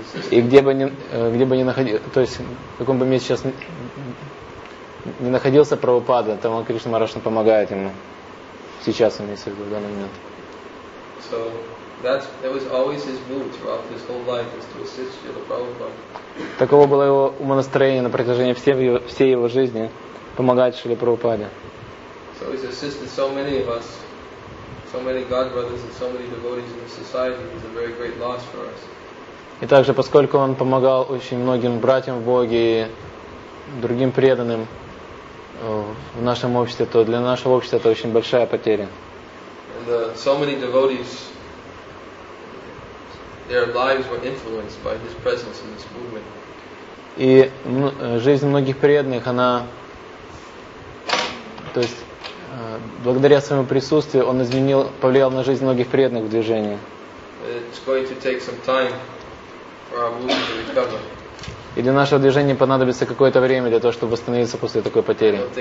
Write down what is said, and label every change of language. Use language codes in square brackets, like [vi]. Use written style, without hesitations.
[ru] И в каком бы месте сейчас не находился Прабхупада, Тамал Кришна Махараджа помогает ему. Сейчас он есть в данный момент. [en] So that was always his mood throughout his whole life, is to assist Srila Prabhupada. [ru] Таково было его умонастроение на протяжении всей его жизни, помогать Шриле Прабхупаде. [en] So he's assisted so many of us, so many god brothers and so many devotees in the society. He's a very great loss for us. [ru] И также, поскольку он помогал очень многим братьям в Боге и другим преданным в нашем обществе, то для нашего общества это очень большая потеря. [en] And, so many devotees, their lives were influenced by his presence in this movement. [ru] И жизнь многих преданных, она, то есть, благодаря своему присутствию, он изменил, повлиял на жизнь многих преданных в движении. [en] It's going to take some time for our movement to recover. [ru] И для нашего движения понадобится какое-то время для того, чтобы восстановиться после такой потери.